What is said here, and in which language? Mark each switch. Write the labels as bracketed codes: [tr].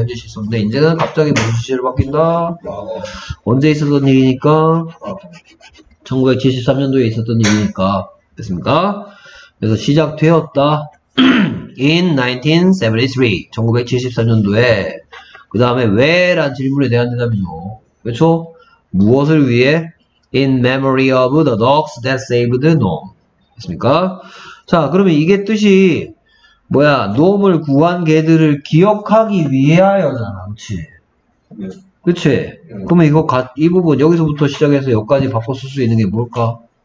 [ko] 현재 시점인데, 이제는 갑자기 무슨 시제로 바뀐다? 언제 있었던 일이니까? 1973년도에 있었던 일이니까. 됐습니까? 그래서 시작되었다. [en] In 1973. [ko] 1973년도에. 그 다음에 왜? 라는 질문에 대한 대답이죠. 그렇죠? 무엇을 위해? [en] In memory of the dogs that saved Nome. [ko] 됐습니까? 자, 그러면 이게 뜻이 뭐야? 놈을 구한 개들을 기억하기 위하여잖아, 그렇지? 네. 그렇지? 네. 그러면 이거 이 부분 여기서부터 시작해서 여기까지 바꿔 쓸 수 있는 게 뭘까?